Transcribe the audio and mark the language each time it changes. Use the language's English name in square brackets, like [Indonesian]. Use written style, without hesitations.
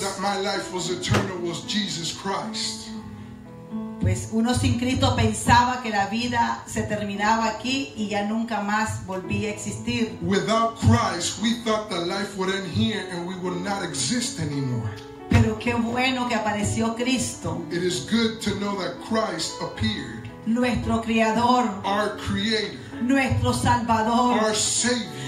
[English] That my life was eternal with Jesus Christ. [Spanish] Pues uno sin Cristo pensaba que la vida se terminaba aquí y ya nunca más volvía a existir. [English] Without Christ, we thought that life would end here and we would not exist anymore. [Spanish] Pero qué bueno que apareció Cristo. [English] It is good to know that Christ appeared. [Spanish] Nuestro Creador. [English] Our Creator. [Spanish] Nuestro Salvador. [English] Our Savior.